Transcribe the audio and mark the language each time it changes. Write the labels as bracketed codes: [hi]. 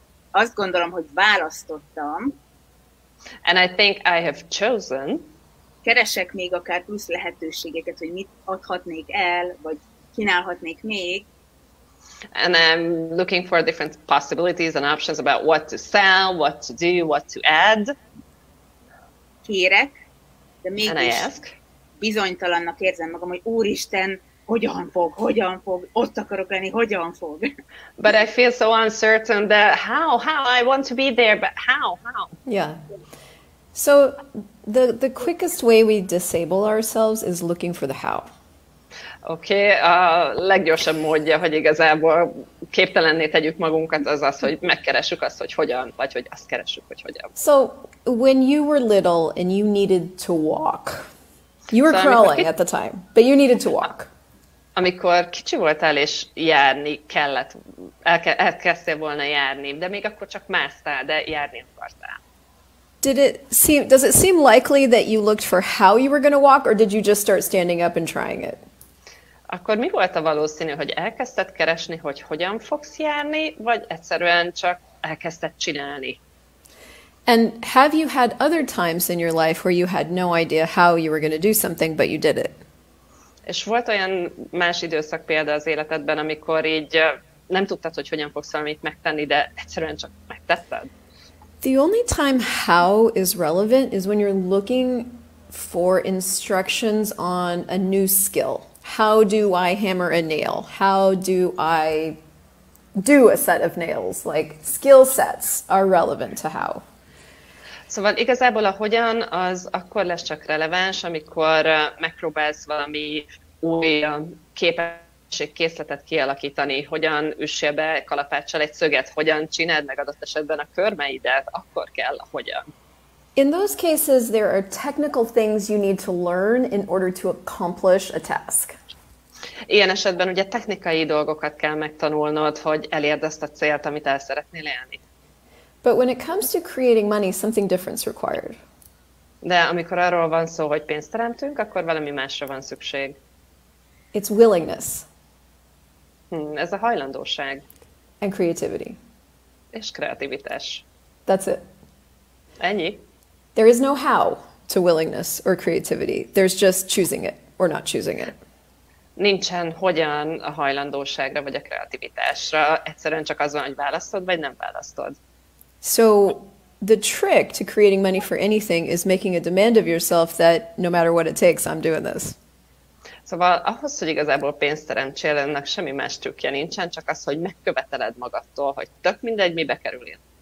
[hu] Azt gondolom, hogy választottam. [en] And I think I have chosen. [hu] Keresek még akár plusz lehetőségeket, hogy mit adhatnék el, vagy kínálhatnék még. [en] And I'm looking for different possibilities and options about what to sell, what to do, what to add. [hu] Kérek, de mégis bizonytalannak érzem magam, hogy Úristen, hogyan fog, ott akarok lenni, hogyan fog. [en] But I feel so uncertain that how, I want to be there, but how. Yeah. So the quickest way we disable ourselves is looking for the how. [hu] Okay, a leggyorsabb módja, hogy igazából képtelenné tegyük magunkat, az, hogy megkeressük azt, hogy hogyan, vagy hogy azt keressük, hogy hogyan. [en] So when you were little and you needed to walk, you were crawling at the time, but you needed to walk. [hu] Amikor kicsi voltál és járni kellett, elkezdtél volna járni, de még akkor csak másztál, de járni akartál. [en] Does it seem likely that you looked for how you were going to walk, or did you just start standing up and trying it? [hu] Akkor mi volt a valószínű, hogy elkezdted keresni, hogy hogyan fogsz járni, vagy egyszerűen csak elkezdted csinálni? [en] And have you had other times in your life where you had no idea how you were going to do something, but you did it? [hu] És volt olyan más időszak példa az életedben, amikor így nem tudtad, hogy hogyan fogsz valamit megtenni, de egyszerűen csak megtetted? [en] The only time how is relevant is when you're looking for instructions on a new skill. How do I hammer a nail? How do I do a set of nails? Like, skill sets are relevant to how. [hu] Szóval igazából a hogyan az akkor lesz csak releváns, amikor megpróbálsz valami új képességkészletet kialakítani, hogyan üssél be kalapáccsal egy szöget, hogyan csináld meg adott esetben a körmeidet, akkor kell a hogyan. [en] In those cases, there are technical things you need to learn in order to accomplish a task. [hu] Ilyen esetben ugye technikai dolgokat kell megtanulnod, hogy elérd azt a célt, amit el szeretnél élni. [en] But when it comes to creating money, something different is required. [hu] De amikor arról van szó, hogy pénzt teremtünk, akkor valami másra van szükség. [en] It's willingness. [hu] Ez a hajlandóság. [en] And creativity. [hu] És kreativitás. [en] That's it. [hu] Ennyi. [en] There is no how to willingness or creativity. There's just choosing it or not choosing it. [hu] Nincsen hogyan a hajlandóságra vagy a kreativitásra. Egyszerűen csak az van, hogy választod vagy nem választod. [en] So the trick to creating money for anything is making a demand of yourself that no matter what it takes, I'm doing this. [hu] Szóval ahhoz, hogy igazából pénzt teremtsél, ennek semmi más trükkje nincsen, csak az, hogy megköveteled magadtól, hogy tök mindegy, mibe kerüljön.